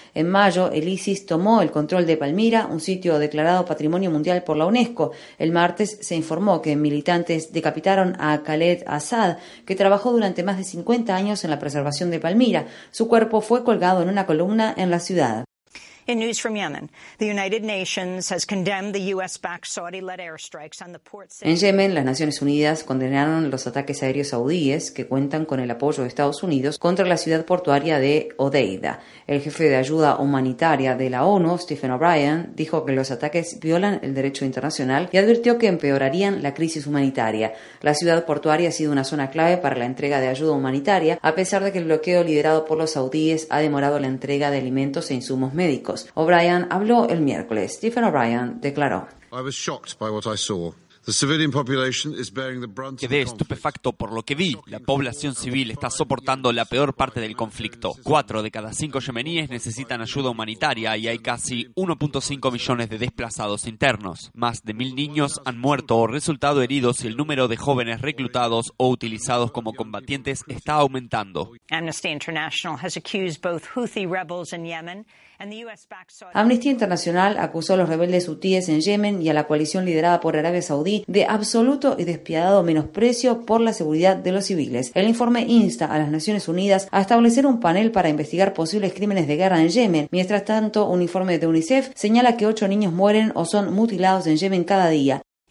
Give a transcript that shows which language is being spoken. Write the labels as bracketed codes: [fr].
[es] En mayo, el ISIS tomó el control de Palmira, un sitio declarado Patrimonio Mundial por la UNESCO. El martes se informó que militantes decapitaron a Khaled Assad, que trabajó durante más de 50 años en la preservación de Palmira. Su cuerpo fue colgado en una columna en la ciudad. [en] In news from Yemen, the United Nations has condemned the U.S.-backed Saudi-led airstrikes on the port city. [es] En Yemen, las Naciones Unidas condenaron los ataques aéreos saudíes que cuentan con el apoyo de Estados Unidos contra la ciudad portuaria de Hodeida. El jefe de ayuda humanitaria de la ONU, Stephen O'Brien, dijo que los ataques violan el derecho internacional y advirtió que empeorarían la crisis humanitaria. La ciudad portuaria ha sido una zona clave para la entrega de ayuda humanitaria, a pesar de que el bloqueo liderado por los saudíes ha demorado la entrega de alimentos e insumos médicos. O'Brien habló el miércoles. Stephen O'Brien declaró: [en] I was shocked by what I saw. The civilian population is bearing the brunt. [es] Quedé estupefacto por lo que vi. La población civil está soportando la peor parte del conflicto. 4 de cada 5 yemeníes necesitan ayuda humanitaria y hay casi 1.5 millones de desplazados internos. Más de 1.000 niños han muerto o resultado heridos y el número de jóvenes reclutados o utilizados como combatientes está aumentando. [en] Amnesty International has accused both Houthi rebels in Yemen. [es] Amnistía Internacional acusó a los rebeldes hutíes en Yemen y a la coalición liderada por Arabia Saudí de absoluto y despiadado menosprecio por la seguridad de los civiles. El informe insta a las Naciones Unidas a establecer un panel para investigar posibles crímenes de guerra en Yemen. Mientras tanto, un informe de UNICEF señala que 8 niños mueren o son mutilados en Yemen cada día.